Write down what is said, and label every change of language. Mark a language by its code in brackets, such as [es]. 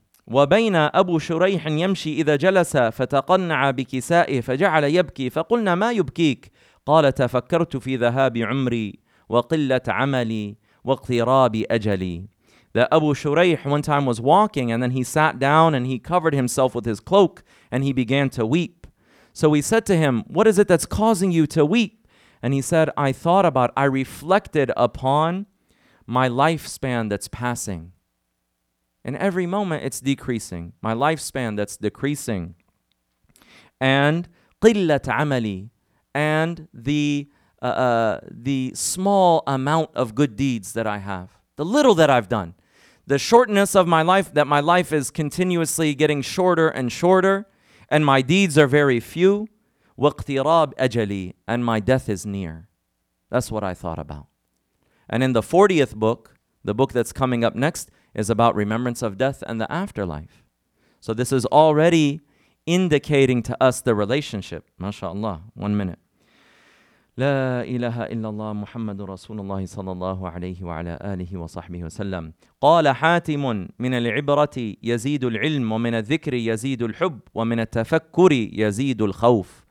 [ar] وبين أبو شريح يمشي إذا جلس فتقنع بكسائه فجعل يبكي فقلنا ما يبكيك؟ قال تفكرت في ذهاب عمري وقلة عملي واقتراب أجلي. [en] That Abu Shuraih one time was walking, and then he sat down and he covered himself with his cloak and he began to weep. So we said to him, what is it that's causing you to weep? And he said, I reflected upon my lifespan that's passing. And every moment it's decreasing. My lifespan that's decreasing. And [ar] قِلَّةَ عَمَلِي, [en] and the small amount of good deeds that I have. The little that I've done. The shortness of my life, that my life is continuously getting shorter and shorter, and my deeds are very few. [ar] وَاقْتِرَابْ أَجَلِي, [en] and my death is near. That's what I thought about. And in the 40th book, the book that's coming up next, is about remembrance of death and the afterlife. So this is already indicating to us the relationship. MashaAllah. 1 minute. [ar] لا إله إلا الله محمد رسول الله صلى الله عليه وعلى آله وصحبه وسلم. قال حاتم من العبرة يزيد العلم ومن الذكر يزيد الحب ومن التفكر يزيد الخوف.